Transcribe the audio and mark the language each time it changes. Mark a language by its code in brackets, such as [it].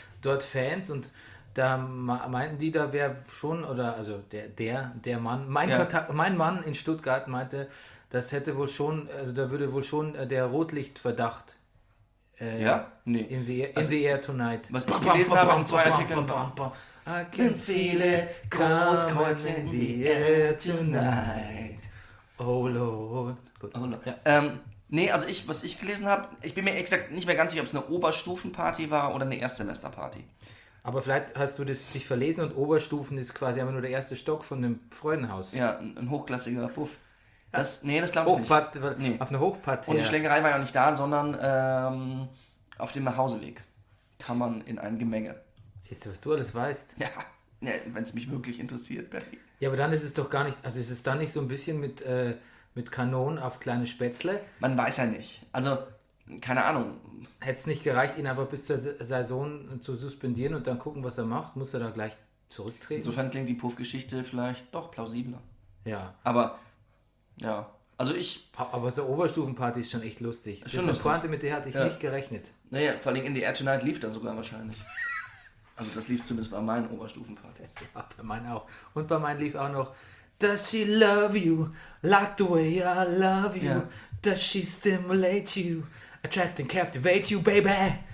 [de] Dort Fans und da meinten die, da wäre schon, oder also der Mann, mein Mann in Stuttgart meinte, das hätte wohl schon, also da würde wohl schon der Rotlichtverdacht Ja? Nee. [en] In the Air Tonight. [de] Was ich gelesen habe in zwei Artikeln. [en] I can feel it, Großkreuz in the Air Tonight. Oh Lord. [de] Gut. [en] Oh Lord. [de] Ja. Nee, also was ich gelesen habe, ich bin mir exakt nicht mehr ganz sicher, ob es eine Oberstufenparty war oder eine Erstsemesterparty. Aber vielleicht hast du das dich verlesen und Oberstufen ist quasi einfach nur der erste Stock von dem Freudenhaus. Ja, ein hochklassiger Puff. Das glaube ich nicht. Nee. Auf eine Hochparty. Und die Schlägerei war ja nicht da, sondern auf dem Nachhauseweg kann man in ein Gemenge. Siehst du, was du alles weißt? Ja, ja, wenn es mich wirklich interessiert, Barry. Ja, aber dann ist es doch gar nicht, also ist es dann nicht so ein bisschen mit Kanonen auf kleine Spätzle? Man weiß ja nicht. Also, keine Ahnung. Hätte es nicht gereicht, ihn aber bis zur Saison zu suspendieren und dann gucken, was er macht? Muss er da gleich zurücktreten? Insofern klingt die Puff-Geschichte vielleicht doch plausibler. Ja. Aber, ja, also ich... Aber so Oberstufenparty ist schon echt lustig. Ist schon lustig. Pointe, mit der hatte ich nicht gerechnet. Naja, vor allem in The Air Tonight lief da sogar wahrscheinlich. Also das lief zumindest bei meinen Oberstufenpartys. Ja, bei meinen auch. Und bei meinen lief auch noch... [en] Does she love you like the way I love you? Ja. Does she stimulate you? Attract and captivate you, baby.